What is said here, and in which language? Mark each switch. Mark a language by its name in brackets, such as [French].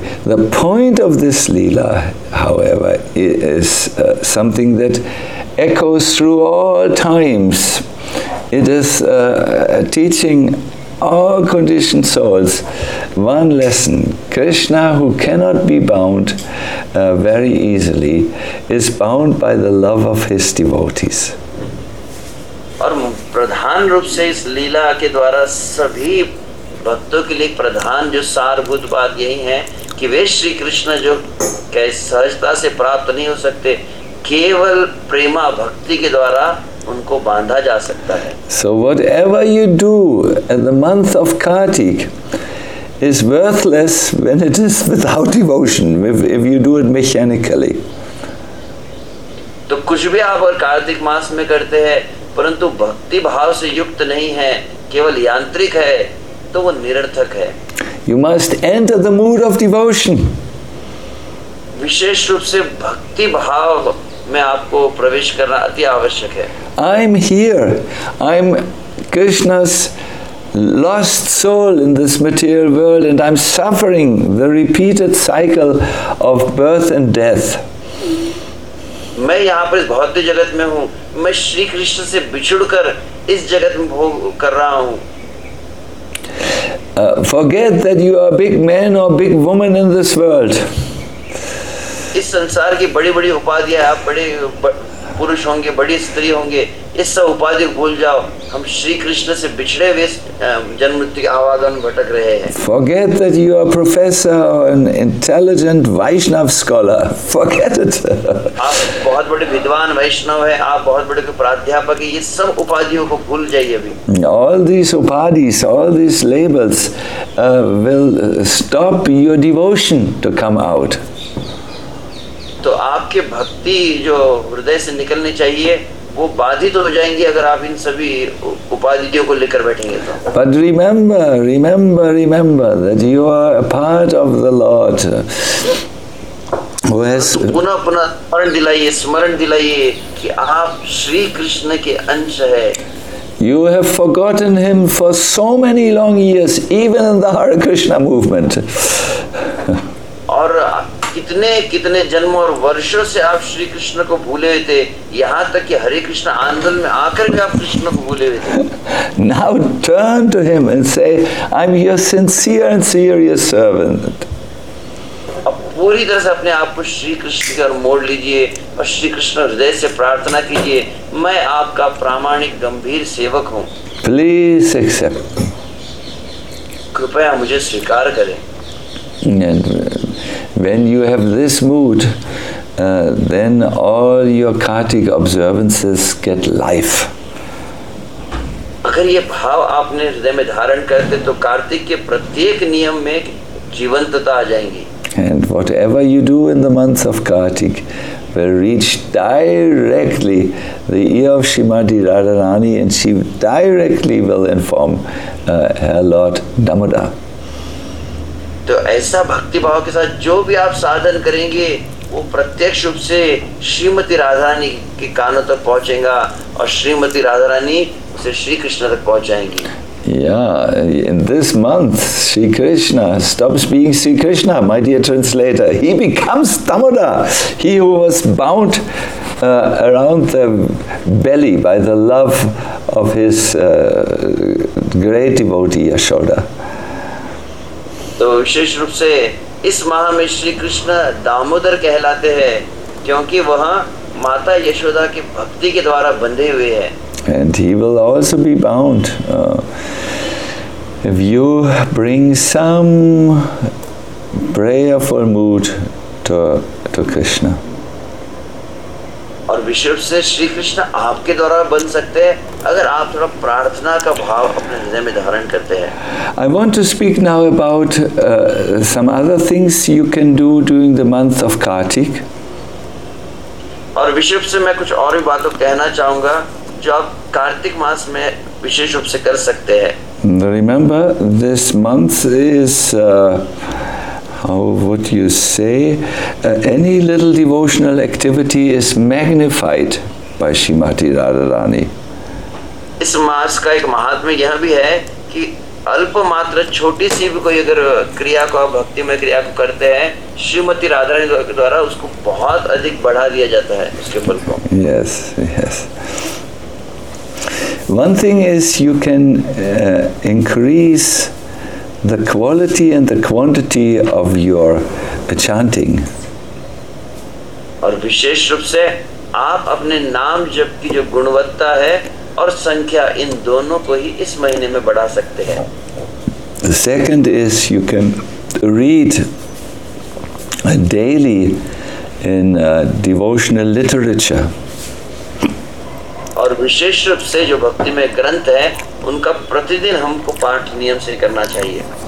[English] The point of this leela, however, is something that echoes through all times. It is teaching all conditioned souls one lesson. Krishna, who cannot be bound very easily, is bound by the love of his devotees. [Hindi] और प्रधान रूप से इस लीला के द्वारा सभी भक्तों के लिए प्रधान जो सारभूत बात यही है कि वे श्री कृष्ण जो सहजता से प्राप्त नहीं हो सकते, केवल प्रेमा भक्ति के द्वारा उनको बांधा जा सकता है। [English] So whatever you do in the month of Kartik is worthless when it is without devotion, if you do it mechanically. [Hindi] तो कुछ भी आप और कार्तिक मास में करते हैं परंतु भक्ति भाव से युक्त नहीं है, केवल यांत्रिक है, तो वो निरर्थक है। [English] You must enter the mood of devotion. [Hindi] विशेष रूप से भक्ति भाव में आपको प्रवेश करना अति आवश्यक है. [English] I am here, I am Krishna's lost soul in this material world and I'm suffering the repeated cycle of birth and death. [Hindi] मैं यहाँ पर इस भौतिक जगत में हूँ, मैं श्री कृष्ण से बिछुड़कर इस जगत में भोग कर रहा हूँ. [English] Forget that you are a big man or big woman in this world. [Hindi] इस संसार की बड़ी-बड़ी उपाधियाँ, आप बड़े पुरुष होंगे, बड़ी स्त्री होंगे, इस सब उपाधि भूल जाओ. हम श्री कृष्ण से बिछड़े हुए जन्म मृत्यु के आवागमन भटक रहे हैं. [English] Forget that you are professor or an intelligent Vaishnav scholar. Forget it. [Hindi] आप बहुत बड़े विद्वान वैष्णव हैं, आप बहुत बड़े प्राध्यापक हैं, ये सब उपाधियों को भूल जाइए अभी. [English] All these upadhis, all these labels will stop your devotion to come out. [Hindi] तो आपके भक्ति जो हृदय से निकलनी चाहिए वो बाधित हो जाएंगी अगर आप इन सभी उपाधियों को लेकर बैठेंगे तो. [English] But remember, remember, remember that you are a part of the Lord. [Hindi] पुनः पुनः स्मरण दिलाइए, स्मरण दिलाइए कि आप श्री कृष्ण के अंश हैं. [English] You have forgotten him for so many long years, even in the Hare Krishna movement. [Hindi] और कितने कितने जन्मों और वर्षों से आप श्री कृष्ण को भूले हुए थे, यहाँ तक कि हरे कृष्ण आंदोलन में आकर भी आप कृष्ण को भूले हुए थे. [English] Now turn to him and say, I'm your sincere and serious servant. [Hindi] अब पूरी तरह से अपने आप को श्री कृष्ण की ओर मोड़ लीजिए और श्री कृष्ण हृदय से प्रार्थना कीजिए, मैं आपका प्रामाणिक गंभीर सेवक हूँ. [English] Please accept. [Hindi] कृपया मुझे स्वीकार करें. [English] And when you have this mood, then all your kartik observances get life. [Hindi] अगर ये भाव आपने हृदय में धारण करते तो कार्तिक के प्रत्येक नियम में जीवंतता आ जाएगी. [English] And whatever you do in the months of kartik will reach directly the ear of Srimati Radharani, and she directly will inform her Lord Damoda. [Hindi] तो ऐसा भक्ति भाव के साथ जो भी आप साधन करेंगे वो प्रत्यक्ष रूप से श्रीमती राधारानी के कानों तक पहुंचेगा और श्रीमती राधारानी उसे श्री कृष्ण तक पहुंचाएंगी. [English] Yeah in this month Shri Krishna stops being Shri Krishna my dear translator, he becomes Damodar, he who was bound around the belly by the love of his great devotee Yashoda. [Hindi] तो विशेष रूप से इस माह में श्री कृष्ण दामोदर कहलाते हैं क्योंकि वह माता यशोदा की भक्ति के द्वारा बंधे हुए हैं. [English] And he will also be bound if you bring some prayerful mood to Krishna. [Hindi] और विशेष रूप से श्री कृष्ण आपके द्वारा बन सकते हैं अगर आप थोड़ा प्रार्थना का भाव अपने हृदय में धारण करते हैं. [English] I want to speak now about some other things you can do during the month of Kartik. [Hindi] और विशेष रूप से मैं कुछ और भी बातों कहना चाहूँगा जो आप कार्तिक मास में विशेष रूप से कर सकते हैं. [English] Remember, this month is how would you say, any little devotional activity is magnified by Srimati Radharani. [Hindi] इस मास का एक महात्म्य यह भी है कि अल्प मात्र छोटी सी भी कोई अगर क्रिया को भक्तिमय क्रिया को करते हैं श्रीमती राधारानी द्वारा उसको बहुत अधिक बढ़ा दिया जाता है उसके फल को. [English] Yes, yes. One thing is you can increase the quality and the quantity of your chanting. [Hindi] और विशेष रूप से आप अपने नाम जप की जो गुणवत्ता है और संख्या इन दोनों को ही इस महीने में बढ़ा सकते हैं. [English] The second is you can read daily in devotional literature. [Hindi] और विशेष रूप से जो भक्ति में ग्रंथ है उनका प्रतिदिन हमको पाठ नियम से करना चाहिए.